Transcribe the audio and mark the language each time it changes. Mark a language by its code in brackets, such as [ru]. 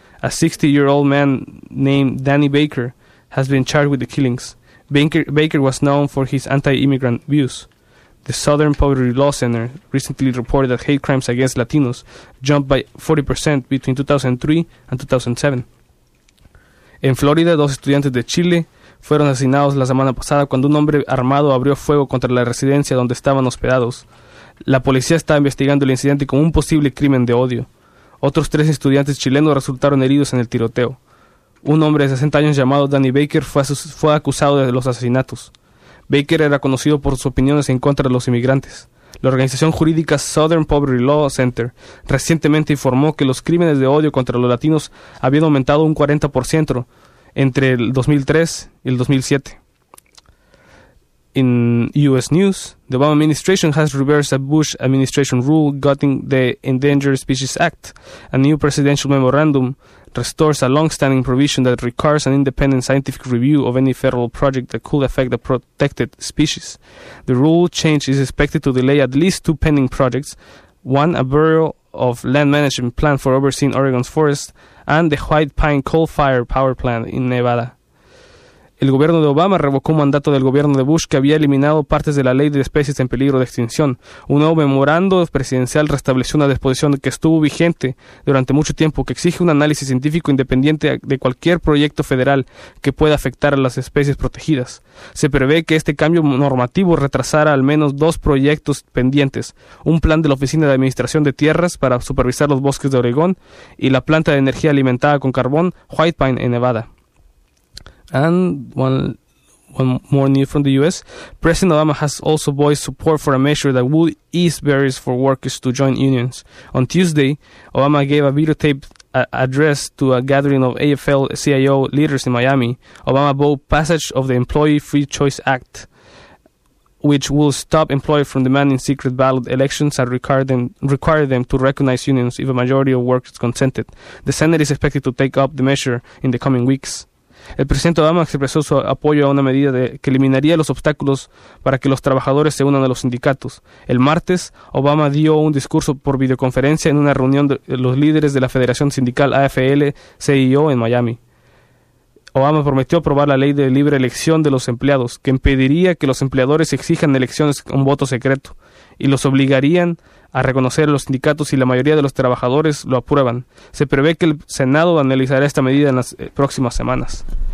[en] A 60-year-old man named Danny Baker has been charged with the killings. Baker was known for his anti-immigrant views. The Southern Poverty Law Center recently reported that hate crimes against Latinos jumped by 40% between 2003 and 2007. [es] En Florida, 2 estudiantes de Chile fueron asesinados la semana pasada cuando un hombre armado abrió fuego contra la residencia donde estaban hospedados. La policía está investigando el incidente como un posible crimen de odio. Otros 3 estudiantes chilenos resultaron heridos en el tiroteo. Un hombre de 60 años llamado Danny Baker fue acusado de los asesinatos. Baker era conocido por sus opiniones en contra de los inmigrantes. La organización jurídica Southern Poverty Law Center recientemente informó que los crímenes de odio contra los latinos habían aumentado un 40% entre el 2003 y el 2007. [en] In U.S. news, the Obama administration has reversed a Bush administration rule gutting the Endangered Species Act. A new presidential memorandum restores a long-standing provision that requires an independent scientific review of any federal project that could affect a protected species. The rule change is expected to delay at least 2 pending projects, one, a Bureau of Land Management plan for overseeing Oregon's forests, and the White Pine Coal Fire Power Plant in Nevada. [es] El gobierno de Obama revocó un mandato del gobierno de Bush que había eliminado partes de la ley de especies en peligro de extinción. Un nuevo memorando presidencial restableció una disposición que estuvo vigente durante mucho tiempo, que exige un análisis científico independiente de cualquier proyecto federal que pueda afectar a las especies protegidas. Se prevé que este cambio normativo retrasara al menos 2 proyectos pendientes, un plan de la Oficina de Administración de Tierras para supervisar los bosques de Oregón y la planta de energía alimentada con carbón White Pine en Nevada. [en] And one more news from the U.S., President Obama has also voiced support for a measure that would ease barriers for workers to join unions. On Tuesday, Obama gave a videotaped address to a gathering of AFL-CIO leaders in Miami. Obama vowed passage of the Employee Free Choice Act, which will stop employers from demanding secret ballot elections and require them to recognize unions if a majority of workers consented. The Senate is expected to take up the measure in the coming weeks. [es] El presidente Obama expresó su apoyo a una medida que eliminaría los obstáculos para que los trabajadores se unan a los sindicatos. El martes, Obama dio un discurso por videoconferencia en una reunión de los líderes de la Federación Sindical AFL-CIO en Miami. Obama prometió aprobar la ley de libre elección de los empleados, que impediría que los empleadores exijan elecciones con voto secreto, y los obligarían a reconocer a los sindicatos si la mayoría de los trabajadores lo aprueban. Se prevé que el Senado analizará esta medida en las próximas semanas.